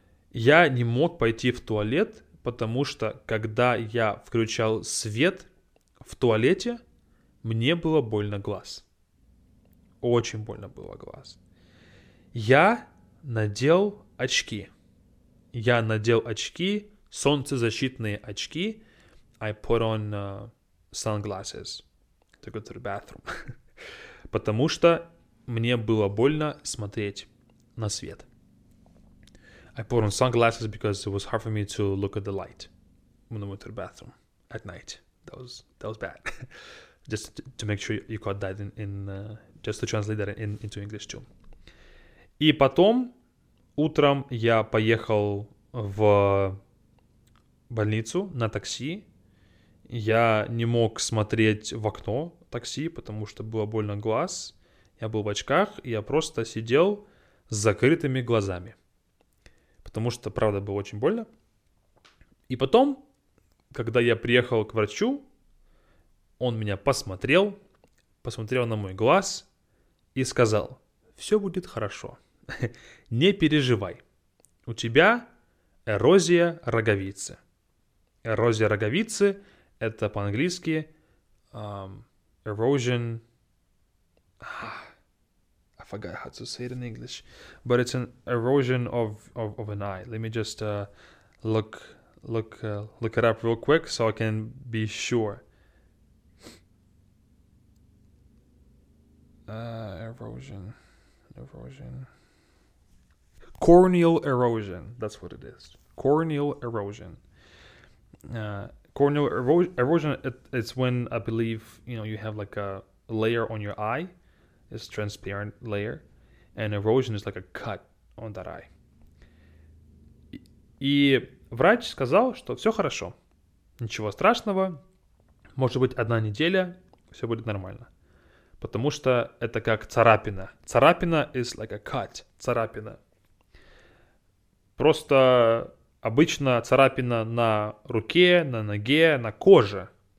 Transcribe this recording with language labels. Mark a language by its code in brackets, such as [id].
[ru] Я не мог пойти в туалет... Потому что, когда я включал свет в туалете, мне было больно глаз. Очень больно было глаз. Я надел очки. Я надел очки, солнцезащитные очки. [en] I put on sunglasses to go to the bathroom. [ru] Потому что мне было больно смотреть на свет. [en] I put on sunglasses because it was hard for me to look at the light when I went to the bathroom at night. That was bad. Just to make sure you caught that just to translate that into English too. [ru] И потом утром я поехал в больницу на такси. Я не мог смотреть в окно такси, потому что было больно глаз. Я был в очках, и я просто сидел с закрытыми глазами. Потому что, правда, было очень больно. И потом, когда я приехал к врачу, он меня посмотрел, посмотрел на мой глаз и сказал, все будет хорошо, не переживай, у тебя эрозия роговицы. Эрозия роговицы — это по-английски erosion... [en] I forgot how to say it in English, but it's an erosion of an eye. Let me just look it up real quick so I can be sure. Erosion. Corneal erosion. That's what it is. Corneal erosion. Corneal erosion. It's when I believe you know you have like a layer on your eye. This transparent layer, and erosion is like a cut on that eye. [ru] И врач сказал, что все хорошо, ничего страшного, может быть одна неделя, все будет нормально, потому что это как царапина. Царапина [en] is like a cut, [ru] царапина. Просто обычно царапина на руке, на ноге, на коже.